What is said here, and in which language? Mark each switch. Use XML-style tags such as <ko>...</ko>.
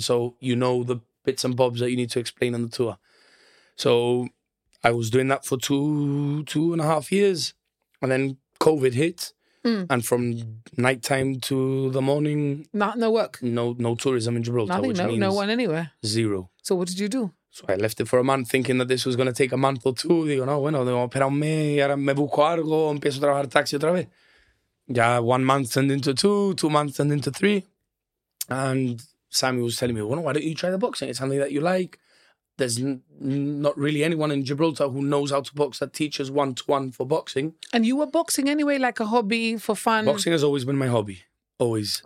<en>So you know the bits and bobs that you need to explain on the tour. So I was doing that for two and a half years. And then COVID hit. And from nighttime to the morning. No work. No tourism in Gibraltar. Nothing, which no one anywhere. Zero. So what did you do? So I left it for a month thinking that this was going to take a month or two.</en> <es>Digo, no, bueno, debo esperar un mes, ahora me busco algo, empiezo a trabajar taxi otra vez.</es> <en>Yeah, 1 month turned into two months turned into three. And Sammy was telling me, well, why don't you try the boxing? It's something that you like. There's not really anyone in Gibraltar who knows how to box that teaches one-to-one for boxing. And you were boxing anyway, like a hobby for fun? Boxing has always been my hobby. Always.</en>